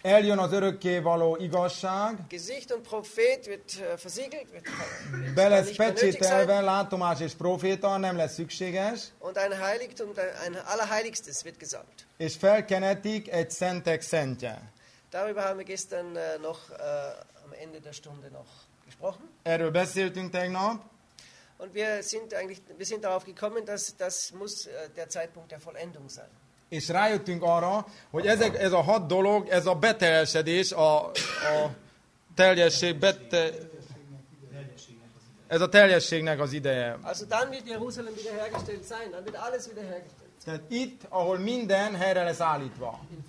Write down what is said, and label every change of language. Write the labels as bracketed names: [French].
[Hungarian] Eljön az örökké való igazság. [German] Gesicht und Prophet wird versiegelt. [Hungarian] Be lesz pecsételve, látomás és proféta, nem lesz szükséges. [German] Und ein Heiligtum, ein Allerheiligstes wird gesagt. [Hungarian] És felkenetik egy szentek szentje. [German] Darüber haben wir gestern noch am Ende der Stunde noch gesprochen. [Hungarian] Erről beszéltünk tegnap. [German] Und wir sind darauf gekommen, dass das muss der Zeitpunkt der Vollendung sein. [Hungarian] És rájöttünk arra, hogy ez a hat dolog, ez a beteljesedés, a teljesség, ez a teljességnek az ideje. [German] Also dann wird Jerusalem wiederhergestellt sein, dann wird alles wiederhergestellt. [Hungarian] Tehát itt, ahol minden helyre lesz állítva.